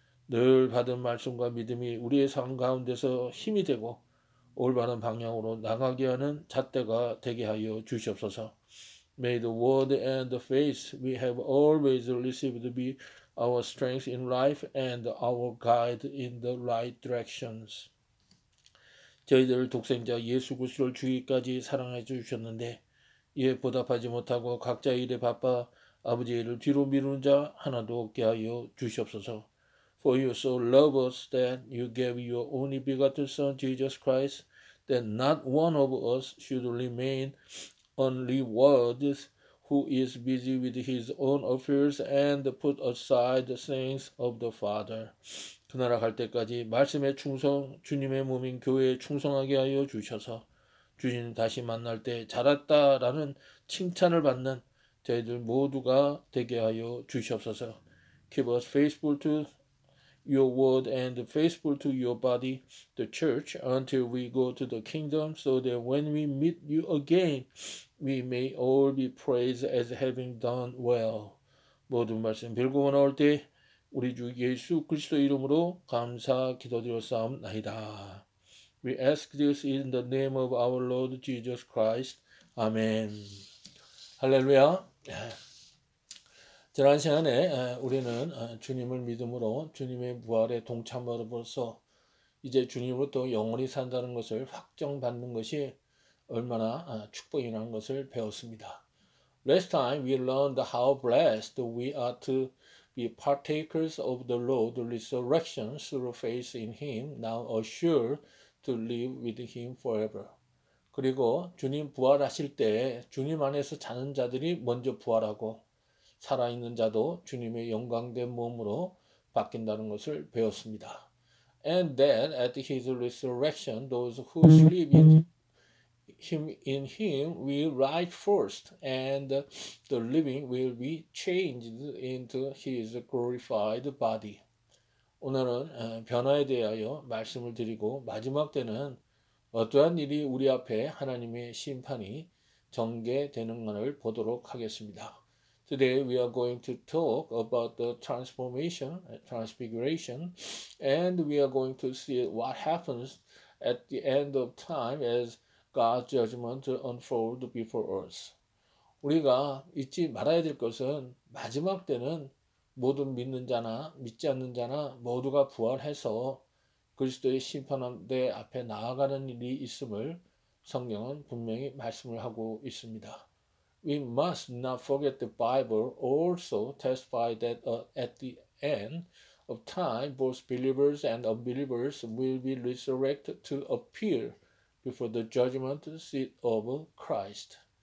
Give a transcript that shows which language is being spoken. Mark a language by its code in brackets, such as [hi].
[ko] 늘 받은 말씀과 믿음이 우리의 삶 가운데서 힘이 되고 올바른 방향으로 나가게 하는 잣대가 되게 하여 주시옵소서. [en] May the word and the faith we have always received be our strength in life and our guide in the right directions. [ko] 저희들 독생자 예수 그리스도를 주기까지 사랑해 주셨는데 이에 보답하지 못하고 각자 일에 바빠 아버지 일을 뒤로 미루는 자 하나도 없게 하여 주시옵소서. [en] For you so love us that you gave your only begotten Son, Jesus Christ, that not one of us should remain unrewarded who is busy with his own affairs and put aside the things of the Father. [ko] 그 나라 갈 때까지 말씀의 충성, 주님의 몸인 교회에 충성하게 하여 주셔서 주님 다시 만날 때 잘했다라는 칭찬을 받는 저희들 모두가 되게 하여 주시옵소서. [en] Keep us faithful to your word and faithful to your body, the church, until we go to the kingdom, so that when we meet you again, we may all be praised as having done well. [ko] 모든 말씀 빌고 나올 때 우리 주 예수 그리스도 이름으로 감사 기도드렸사옵나이다. [en] We ask this in the name of our Lord Jesus Christ. [ko] Amen. 할렐루야. 지난 시간에 우리는 주님을 믿음으로 주님의 부활에 동참함으로써 이제 주님으로부터 영원히 산다는 것을 확정받는 것이 얼마나 축복이라는 것을 배웠습니다. [en] Last time we learned how blessed we are to be partakers of the Lord's resurrection through faith in Him, now assured to live with Him forever. [ko] 그리고 주님 부활하실 때 주님 안에서 자는 자들이 먼저 부활하고 살아있는 자도 주님의 영광된 몸으로 바뀐다는 것을 배웠습니다. [en] And then at His resurrection, those who sleep in Him, in Him will rise first, and the living will be changed into His glorified body. [ko] 오늘은 변화에 대하여 말씀을 드리고 마지막 때는 어떠한 일이 우리 앞에 하나님의 심판이 전개되는가를 보도록 하겠습니다. [en] Today we are going to talk about the transformation, transfiguration, and we are going to see what happens at the end of time as God's judgment unfolds before us. [ko] 우리가 잊지 말아야 될 것은 마지막 때는 모든 믿는 자나 믿지 않는 자나 모두가 부활해서 그리스도의 심판대 앞에 나아가는 일이 있음을 성경은 분명히 말씀을 하고 있습니다. [en] We must not forget the Bible also testify that at the end of time, both believers and unbelievers will be resurrected to appear before the judgment seat of Christ.